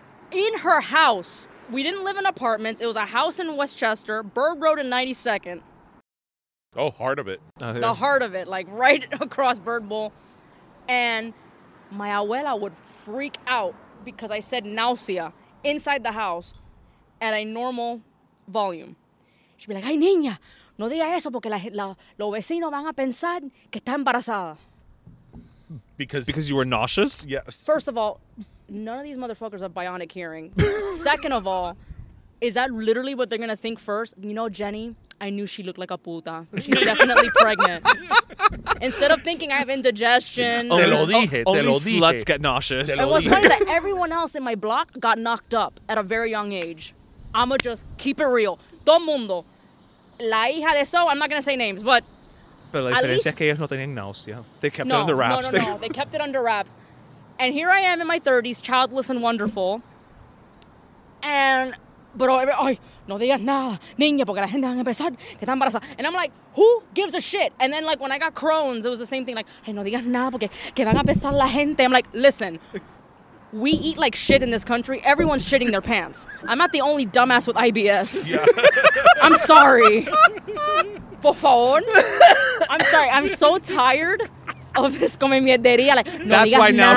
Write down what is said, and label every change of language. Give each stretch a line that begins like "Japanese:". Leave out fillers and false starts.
English: In her house, we didn't live in apartments. It was a house in Westchester, Bird Road and 92nd. Oh, heart of it. The heart of it, like right across Bird Bowl. And my abuela would freak out because I said náusea inside the house at a normal volume. She'd be like,
Spanish: ay, niña, no diga eso porque los vecinos van a pensar que está embarazada.
English: Because you were nauseous? Yes. First of all, none of these motherfuckers have bionic hearing. Second of all, is that literally what they're going to think first? You know, Jenny, I knew she looked like a puta. She's definitely pregnant. Instead of thinking I have indigestion. Only sluts get nauseous. And what's funny is that everyone else in my block got knocked up at a very young age. I'ma just keep it real.
Spanish: Todo mundo. La hija de eso,
English: I'm not going to say names, but...
Spanish: But la diferencia es que ellos no tenían náusea.
English: They kept it under wraps. No. They kept it under wraps. And here I am in my 30s, childless and wonderful. And, but
Spanish: ay, no digas nada, niña, porque la gente va a empezar que está embarazada.
English: And I'm like, who gives a shit? And then, like, when I got Crohn's, it was the same thing.
Spanish: Like, ay, no digas nada, porque que van a empezar la gente.
English: I'm like, listen, we eat like shit in this country. Everyone's shitting their pants. I'm not the only dumbass with IBS. Yeah. I'm sorry.
Spanish: Por favor.
English: I'm sorry. I'm so tired of this
Spanish: come mierdería.
English: Like, no that's
Spanish: digas
English: why
Spanish: nada.